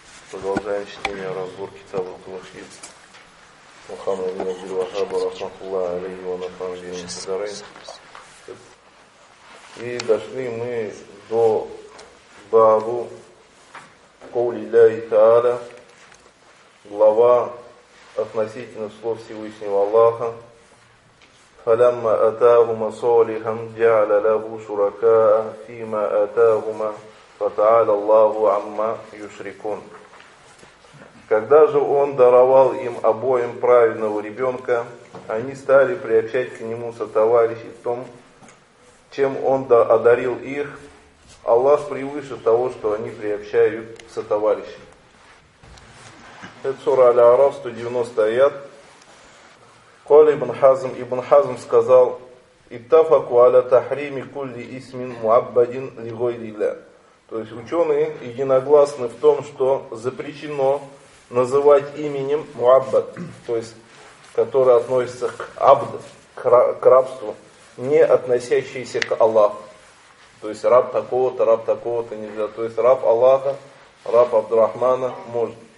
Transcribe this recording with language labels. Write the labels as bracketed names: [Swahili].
[Russian] Продолжаем чтение разбор китаба Тухид. Мухаммад ибн Абдул Вахаб, [Arabic] рахматуллах алейхи ва нафаги ва мухаддарин. [Russian] И дошли мы до бабу Каули Ляхи Тааля, глава относительно слов Всевышнего Аллаха. [Arabic] فلما أتاهما صالحًا جعل له شركاء فيما أتاهما فتعالى الله عما يشركون. [Russian] Когда же он даровал им обоим праведного ребенка, они стали приобщать к нему сотоварищей в том, чем он одарил их. Аллах превыше того, что они приобщают сотоварищей. Это сура Аль-Араф, 190 аят. [Arabic] قال ابن حزم ابن حزم [Russian] сказал [Arabic] اتفقوا على تحريم كل اسم معبد لغير الله. [Russian] То есть ученые единогласны в том, что запрещено называть именем муаббад, то есть который относится к абду, к рабству, не относящийся к Аллаху. То есть раб такого-то нельзя. То есть раб Аллаха, раб Абдурахмана может.